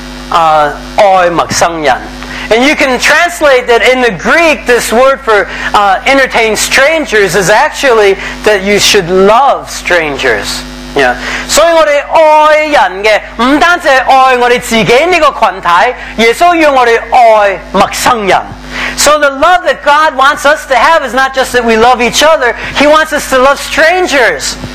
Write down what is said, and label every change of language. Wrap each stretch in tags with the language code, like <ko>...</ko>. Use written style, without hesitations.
<zh>所以这个接待客旅的这个原文的字呢，其实个意思就是爱陌生人。</zh> <en>And you can translate that in the Greek, this word for entertain strangers is actually that you should love strangers. Yeah.</en> <zh>所以我们爱人的，不单是爱我们自己这个群体，耶稣要我们爱陌生人。</zh> <en>So the love that God wants us to have is not just that we love each other, He wants us to love strangers.</en>